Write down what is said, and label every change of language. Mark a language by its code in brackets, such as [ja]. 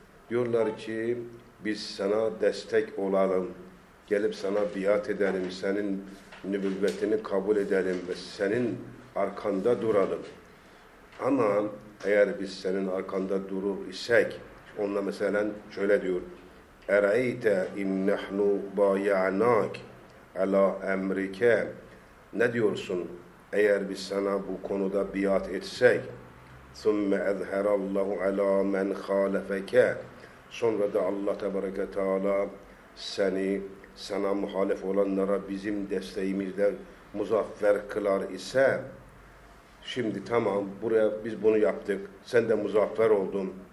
[tr] Diyorlar ki biz sana destek olalım. Gelip sana biat edelim. Senin nübüvvetini kabul edelim ve senin arkanda duralım. Ama eğer biz senin arkanda durur isek, onunla mesela şöyle diyor. [ar] اَرَيْتَ اِنَّحْنُ بَايَعْنَاكَ عَلَى اَمْرِكَ [tr] Ne diyorsun? Eğer biz sana bu konuda biat etsek, [ar] ثُمَّ اَذْهَرَ اللّٰهُ عَلَى مَنْ خَالَفَكَ [tr] Sonra da Allah Tebareke Teala seni, sana muhalif olanlara bizim desteğimizle muzaffer kılar ise, şimdi tamam, buraya biz bunu yaptık, sen de muzaffer oldun.